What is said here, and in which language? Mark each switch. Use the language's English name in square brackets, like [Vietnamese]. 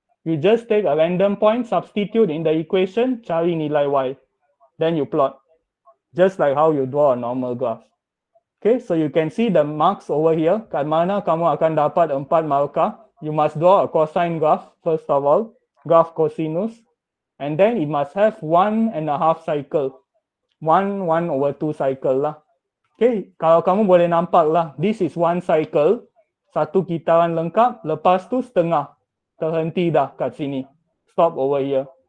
[English] You just take a random point, substitute in the equation, [Malay] cari nilai Y. [English] Then you plot. Just like how you draw a normal graph. Okay, so you can see the marks over here. [Malay] Kat mana kamu akan dapat 4 markah. [English] You must draw a cosine graph, first of all. [Malay] Graph cosinus. [English] And then it must have 1.5 cycle. [Malay] 1/1/2 cycle lah. Okay, kalau kamu boleh nampak lah, [English] this is one cycle, [Malay] satu kitaran lengkap, lepas tu setengah, terhenti dah kat sini. [English] Stop over here.